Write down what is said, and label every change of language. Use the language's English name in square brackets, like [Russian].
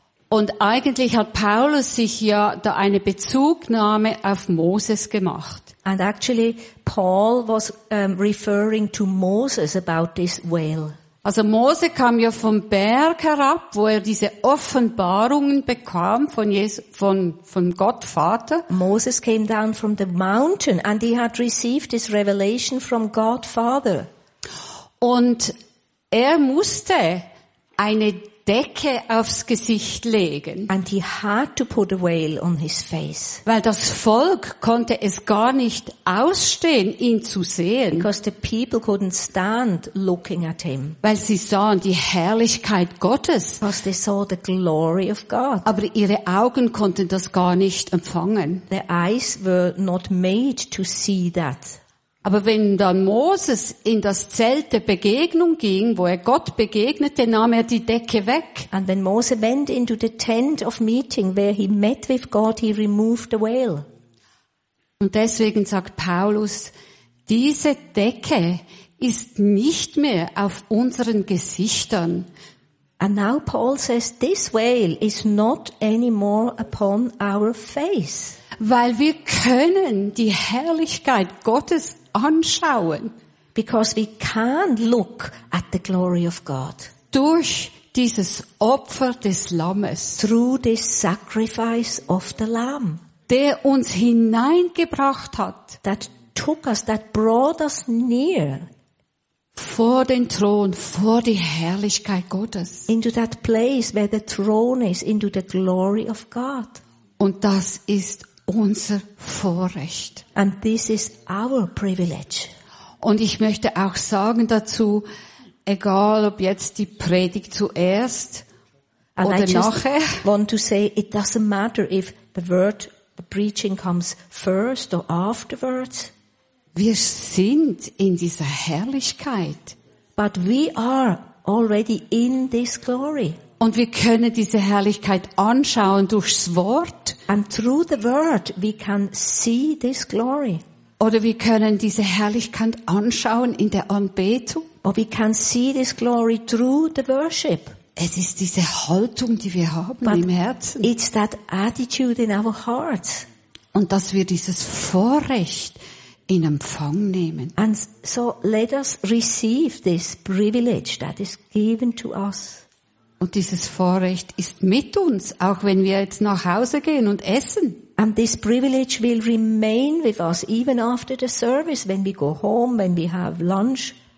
[German] Und eigentlich hat Paulus sich ja da eine Bezugnahme auf Moses gemacht. [English] And actually Paul was referring to Moses about this veil. [German] Also Mose kam ja vom Berg herab, wo er diese Offenbarungen bekam von Jesus, von Gott Vater. [English] Moses came down from the mountain and he had received this revelation from God Father. [German] Und er musste eine Decke aufs Gesicht legen. [English] And he had to put a veil on his face. [German] Weil das Volk konnte es gar nicht ausstehen, ihn zu sehen. [English] Because the people couldn't stand looking at him. [German] Weil sie sahen die Herrlichkeit Gottes. [English] Because they saw the glory of God. [German] Aber ihre Augen konnten das gar nicht empfangen. [English] Their eyes were not made to see that. [German] Aber wenn dann Moses in das Zelt der Begegnung ging, wo er Gott begegnete, nahm er die Decke weg. [English] And when Moses went into the tent of meeting where he met with God, he removed the veil. [German] Und deswegen sagt Paulus, diese Decke ist nicht mehr auf unseren Gesichtern. [English] And now Paul says, this veil is not anymore upon our face. [German] Weil wir können die Herrlichkeit Gottes anschauen. [English] Because we can look at the glory of God. [German] Durch dieses Opfer des Lammes. [English] Through this sacrifice of the Lamb. [German] Der uns hineingebracht hat. [English] That took us, that brought us near. [German] Vor den Thron, vor die Herrlichkeit Gottes. [English] Into that place where the throne is, into the glory of God. [German] Und das ist unser Vorrecht. [English] And this is our privilege. [German] Und ich möchte auch sagen dazu, egal ob jetzt die Predigt zuerst [English] and [German] oder [English] I just [German] nachher. [English] Want to say it doesn't matter if the word The preaching comes first or afterwards. [German] Wir sind in dieser Herrlichkeit. [English] But we are already in this glory. [German] Und wir können diese Herrlichkeit anschauen durchs Wort. [English] And through the word we can see this glory. [German] Oder wir können diese Herrlichkeit anschauen in der Anbetung. [English] Or we can see this glory through the worship. [German] Es ist diese Haltung, die wir haben [English] But [German] im Herzen. [English] It's that attitude in our heart. [German] Und dass wir dieses Vorrecht in Empfang nehmen. [English] And so let us receive this privilege that is given to us. [German] Und dieses Vorrecht ist mit uns, auch wenn wir jetzt nach Hause gehen und essen. [English] And this privilege will remain with us even after the service, when we go home, when we have lunch.